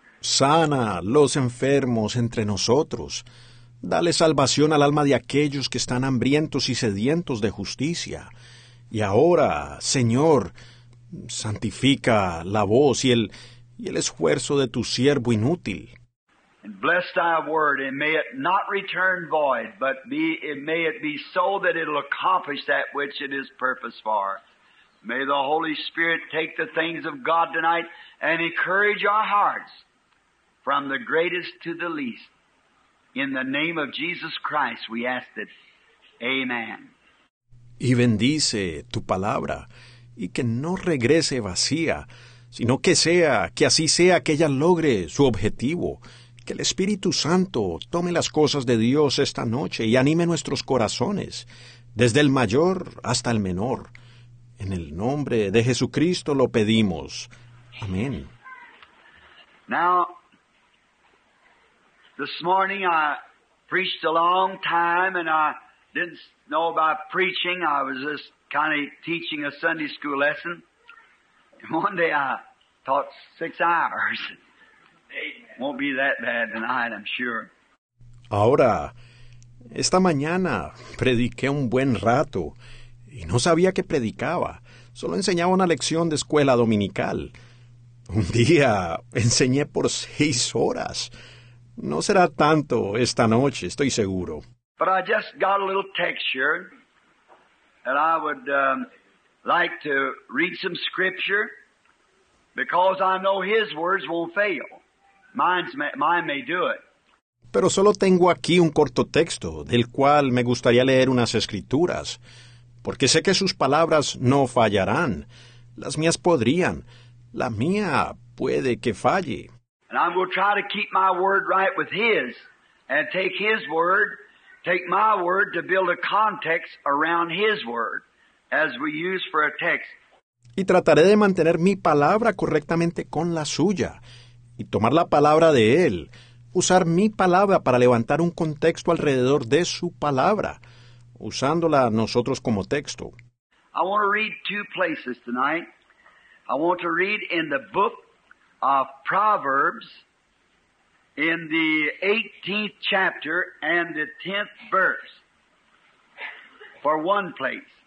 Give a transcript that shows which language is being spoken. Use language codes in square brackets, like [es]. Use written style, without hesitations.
[es] Sana los enfermos entre nosotros. Dale salvación al alma de aquellos que están hambrientos y sedientos de justicia. Y ahora, Señor, santifica la voz y el esfuerzo de tu siervo inútil. [en] And bless thy word, and may it not return void, but may it be so that it'll accomplish that which it is purposed for. May the Holy Spirit take the things of God tonight and encourage our hearts from the greatest to the least. In the name of Jesus Christ, we ask it. Amen. [es] Y bendice tu palabra, y que no regrese vacía, sino que sea, que así sea, que ella logre su objetivo. Que el Espíritu Santo tome las cosas de Dios esta noche y anime nuestros corazones, desde el mayor hasta el menor. En el nombre de Jesucristo lo pedimos. Amén. [en] Now, this morning I preached a long time and I didn't know about preaching. I was just kind of teaching a Sunday school lesson. And one day I taught 6 hours. Won't be that bad tonight, I'm sure. [es] Ahora, esta mañana prediqué un buen rato y no sabía que predicaba. Solo enseñaba una lección de escuela dominical. Un día enseñé por 6 horas. No será tanto esta noche, estoy seguro. [en] But I just got a little texture, and I would like to read some scripture, because I know His words won't fail. Mine may do it. [es] Pero solo tengo aquí un corto texto, del cual me gustaría leer unas escrituras, porque sé que sus palabras no fallarán. Las mías podrían. La mía puede que falle. [en] And I will try to keep my word right with His, and take His word, take my word to build a context around His word, as we use for a text. [es] Y trataré de mantener mi palabra correctamente con la suya, y tomar la palabra de Él, usar mi palabra para levantar un contexto alrededor de su palabra, usándola nosotros como texto. [en] I want to read 2 places tonight. I want to read in the book of Proverbs, in the 18th chapter and the 10th verse, for 1 place.